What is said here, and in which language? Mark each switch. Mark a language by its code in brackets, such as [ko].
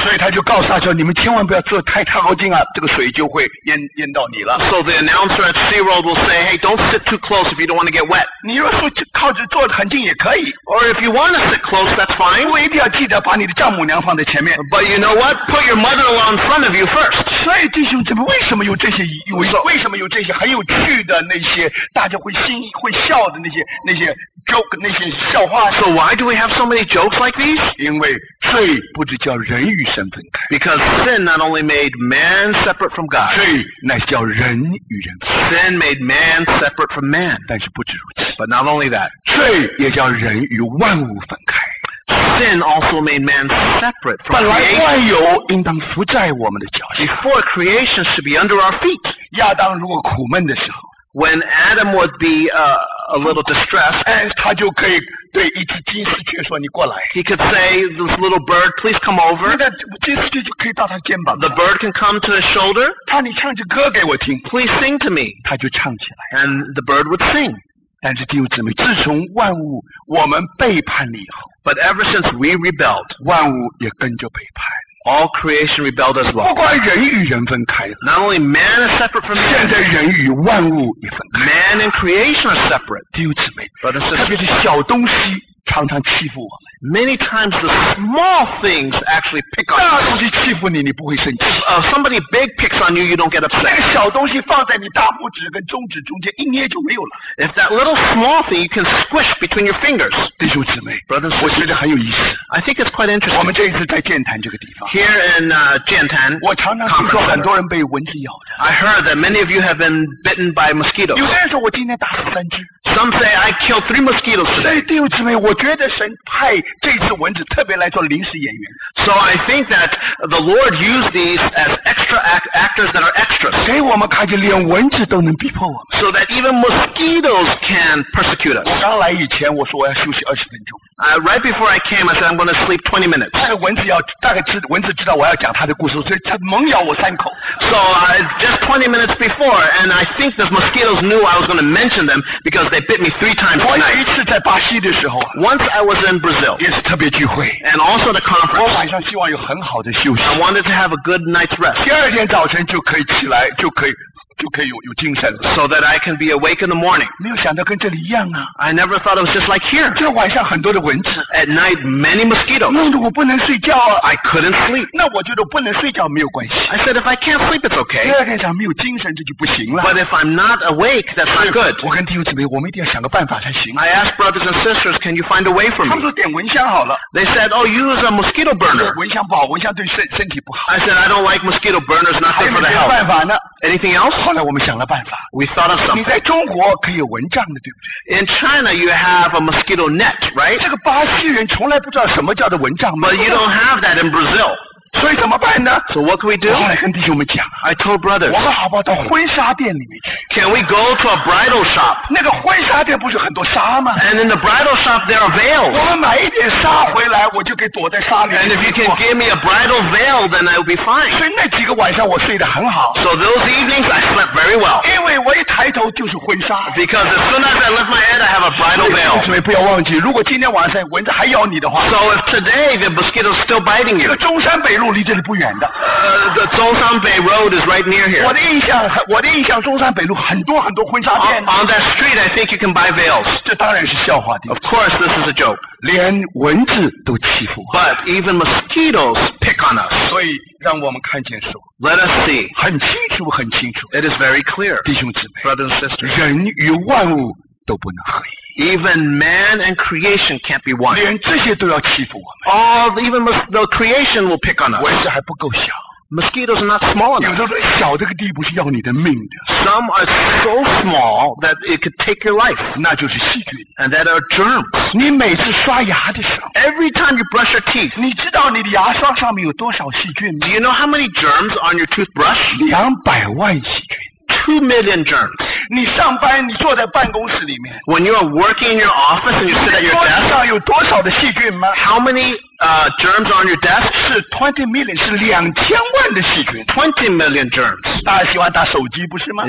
[zh] 所以他就告诉他说：“你们千万不要坐太靠近啊，这个水就会淹到你了。” [en] So the announcer at Sea World will say, "Hey, don't sit too close if you don't want to get wet." [zh] 你若说靠着坐得很近也可以。 [en] Or if you want to sit close, that's fine. [zh] 因为一定要记得把你的丈母娘放在前面。 [en] But you know what? Put your mother-in-law in front of you first. [zh] 所以弟兄姊妹，为什么有这些为什么有这些很有趣的那些大家会笑的那些 joke 那些笑话。 [en] So why do we have so many jokes like these? [zh] 因为罪不只叫人与神分开。 [en] Because sin not only made man separate from God. [zh] 罪乃是叫人与人分开。 [en] Sin made man separate from man. [zh] 但是不止如此。 [en] But not only that. [zh] 罪也叫人与万物分开。 [en] Sin also made man separate from creation. [zh] 本来万有应当伏在我们的脚下。 [en] Before creation should be under our feet. [zh] 亚当如果苦闷的时候 [en] When Adam would be a little distressed, [zh] 哎，他就可以对一只金丝雀说：“你过来。” [en] He could say, "This little bird, please come over." [zh] 那个金丝雀就可以到他肩膀。 [en] The bird can come to his shoulder. [zh] 他，你唱支歌给我听。 [en] Please sing to me. [zh] 他就唱起来。 [en] And the bird would sing. [zh] 但是弟兄姊妹，自从万物我们背叛了以后 [en] ，But ever since we rebelled, [zh] 万物也跟着背叛。 [en] All creation rebelled as well. [zh] 不管人与人分开了。 [en] Not only man is separate from man. [zh] 现在人与万物也分开。 [en] Man and creation are separate. [zh] 弟兄姊妹。 [en] But it's just, [zh] 特别是小东西常常欺负我们。 [en] Many times the small things actually pick on you. [zh] 大东西欺负你，你不会生气。 [en] Somebody big picks on you, you don't get upset. [zh] 那个小东西放在你大拇指跟中指中间，一捏就没有了。 [en] If that little small thing you can squish between your fingers. [zh] 弟兄姊妹。 [en] Brothers, [zh] 我觉得很有意思。 [en] I think it's quite interesting. [zh] 我们这一次在健谈这个地方。 [en] Here in, 健谈。 [zh] 我常常听说很多人被蚊子咬的。 [en] I heard that many of you have been bitten by mosquitoes. [zh] 有些人说我今天打了三只。 [en] Some say I killed three mosquitoes today. [zh] 所以弟兄姊妹，我觉得神派这次蚊子特别来做临时演员。 [en] So I think that the Lord used these as extra actors that are extras. [zh] 给我们看见连蚊子都能逼迫我们。 [en] So that even mosquitoes can persecute us. [zh] 我刚来以前我说我要休息二十分钟。 [en] Right before I came, I said I'm going to sleep 20 minutes. [zh] 那个蚊子要大概知蚊子知道我要讲他的故事，所以他猛咬我三口。 [en] So just 20 minutes before, and I think the mosquitoes knew I was going to mention them because they bit me three times. [zh] 我有一次在巴西的时候。 [en] Once I was in Brazil. [zh] 也是特别聚会。 [en] And also the conference. [zh] 我晚上希望有很好的休息。 [en] I wanted to have a good night's rest. [zh] 第二天早晨就可以起来，就可以。就可以 有精神 [en] so that I can be awake in the morning. [zh] 没有想到跟这里一样啊。 [en] I never thought it was just like here. [zh] 这晚上很多的蚊子。 [en] At night, many mosquitoes. [zh] 弄得我不能睡觉啊。 [en] I couldn't sleep. [zh] 那我觉得不能睡觉没有关系。 [en] I said, if I can't sleep, it's okay. [zh] 第二天想没有精神这就不行了。 [en] But if I'm not awake, that's not good. [zh] 我跟弟兄姊妹，我们一定要想个办法才行。 [en] I asked brothers and sisters, can you find a way for me? [zh] 他们说点蚊香好了。 [en] They said, oh, use a mosquito burner. [zh] 蚊香不好，蚊香对身体不好。 [en] I said, I don't like mosquito burners, not good for the health. [zh] 还有没有办法呢？ [en] Anything else? [zh] 后来我们想了办法。 [en] We thought of something. [zh] 你在中国可以有蚊帐的，对不对？ [en] In China, you have a mosquito net, right? [zh] 这个巴西人从来不知道什么叫做蚊帐。 [en] But you don't have that in Brazil. [zh] 所以怎么办呢？ [en] So what can we do? [zh] 我后来跟弟兄们讲。 [en] I told brothers. [zh] 我们好不好到婚纱店里面去？ [en] Can we go to a bridal shop? [zh] 那个婚纱店不是很多纱吗？ [en] And in the bridal shop, there are veils. [zh] 我们买一点纱回来，我就可以躲在纱里面。 [en] And if you can give me a bridal veil, then I will be fine. [zh] 所以那几个晚上我睡得很好。 [en] So those evenings, I slept very well. [zh] 因为我一抬头就是婚纱。 [en] Because as soon as I lift my head, I have a bridal veil. [zh] 所以不要忘记，如果今天晚上蚊子还咬你的话。 [en] So if today the mosquito is still biting you. [zh] 这个中山北路离这里不远的。 [en] The 中山北 road is right near here. [zh] 我的印象中山北路很多很多婚纱店。 [en] On that street, I think you can buy veils. [zh] 这当然是笑话的。 [en] Of course, this is a joke. [zh] 连蚊子都欺负我。 [en] But even mosquitoes pick on us. [zh] 所以让我们看见说。 [en] Let us see. [zh] 很清楚，很清楚。 [en] It is very clear. [zh] 弟兄姊妹。 [en] Brothers and sisters. [zh] 人与万物都不能合一。 [en] Even man and creation can't be one. [zh] 连这些都要欺负我们。 [en] Even the creation will pick on us. [zh] 蚊子还不够小。 [en] Mosquitoes are not small enough. [zh] 有的小这个地步是要你的命的。 [en] Some are so small that it could take your life. [zh] 那就是细菌。 [en] And that are germs. [zh] 你每次刷牙的时候。 [en] Every time you brush your teeth. [zh] 你知道你的牙刷上面有多少细菌吗？ [en] Do you know how many germs on your toothbrush? [zh] 200万细菌。 [en] 2 million germs. [zh] 你上班，你坐在办公室里面。 [en] When you are working in your office and you sit at your desk. [zh] 桌子上有多少的细菌吗？ [en] How many germs on your desk? [zh] 是 [en] 20 million, [zh] 是2000万的细菌。 [en] 20 million germs. [zh] 大家喜欢打手机不是吗？